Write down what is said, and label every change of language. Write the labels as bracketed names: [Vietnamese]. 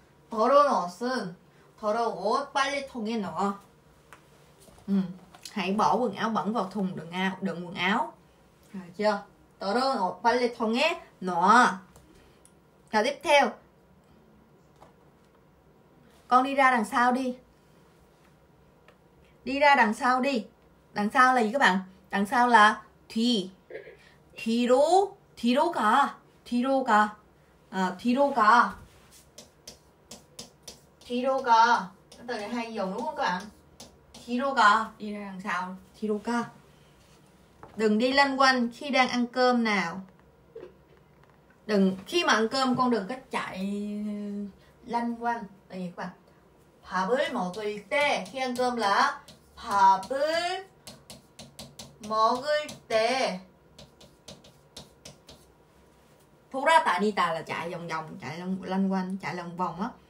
[Korean] 더러운 옷은 더러운 옷 빨래 통에 넣어. [Vietnamese] Hãy bỏ quần áo bẩn vào thùng đựng áo, đựng quần áo. Được chưa? [Korean] 더러운 옷 빨래 통에 넣어. [Vietnamese] Tiếp theo. Con đi ra đằng sau đi. Đi ra đằng sau đi. Đằng sau là gì các bạn? Đằng sau là 뒤. [Korean] 뒤로, 뒤로 가. 뒤로 가. 뒤로 가. 뒤로 가. [Vietnamese] Từ này hay dùng đúng không các bạn? [Korean] 뒤로 가. [Vietnamese] Đi ra đằng sau. [Korean] 뒤로 가. [Vietnamese] Đừng đi lân quanh khi đang ăn cơm nào. Đừng khi mà ăn cơm con đừng có chạy lân quanh. Là gì các bạn? [Korean] 밥을 먹을 때 [Vietnamese] khi ăn cơm là [Korean] 밥을 먹을 때 돌아다니다 [Vietnamese] là chạy vòng vòng, chạy lân quanh, chạy lòng vòng á.